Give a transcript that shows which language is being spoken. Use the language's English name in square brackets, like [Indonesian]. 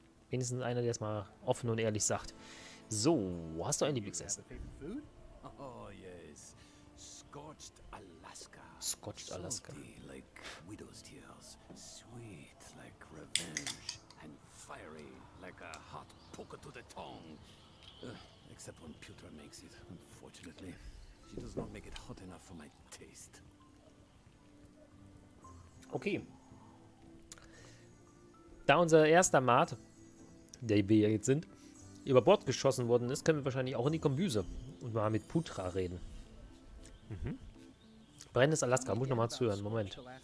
[German] Wenigstens einer, der es mal offen und ehrlich sagt. So, hast du ein Lieblingsessen? [English] Oh, yes. Scorched Alaska. Scorched Alaska. Salty like widow's tears. Sweet like revenge. And fiery like a hot poker to the tongue. Except when Putra makes it, unfortunately. She does not make it hot enough for my taste. Okay. [German] Da unser erster Mate, der wir jetzt sind, über Bord geschossen worden ist, können wir wahrscheinlich auch in die Kombüse und mal mit Putra reden. Mhm. Brennendes Alaska, muss ich nochmal zuhören. Moment.